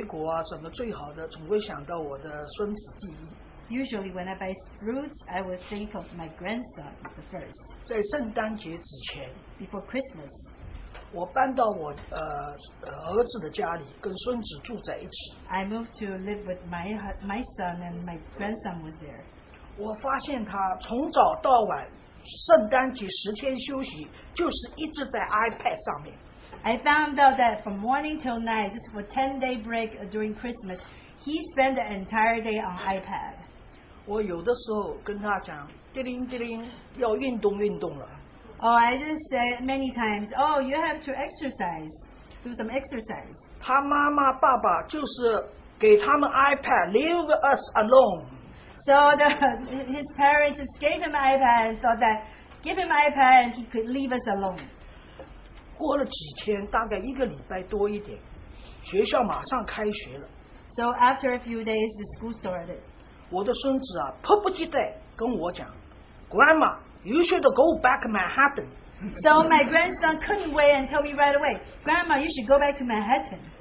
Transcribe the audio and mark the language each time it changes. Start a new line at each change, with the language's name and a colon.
Chinese: 我本来呢,买水果啊,什么最好的,总会想到我的孙子记忆。
English: Usually when I buy fruits, I will think of my grandson the first.
Chinese: 在圣诞节之前,
English: before Christmas,
Chinese: 我搬到我儿子的家里跟孙子住在一起。
English: I moved to live with my son and my grandson was there.
Chinese: 我发现他从早到晚圣诞节10天休息就是一直在iPad上面。
English: I found out that from morning till night, just for 10-day break during Christmas, he spent the entire day on iPad.
Chinese: 我有的时候跟他讲, 叮铃叮铃, 要运动运动了。
English: Oh, I just say many times, oh, you have to exercise, do some exercise.
Chinese: 他妈妈爸爸就是给他们iPad,
English: leave us alone. So his parents just gave him iPad and thought that, give him iPad and he could leave us alone.
Chinese: 过了几天,大概一个礼拜多一点, 学校马上开学了。
English: So after a few days, the school started.
Chinese: 我的孙子迫不及待跟我讲,
English: Grandma, you should go back to Manhattan. So my grandson couldn't wait and told me right away, Grandma, you should go back to Manhattan.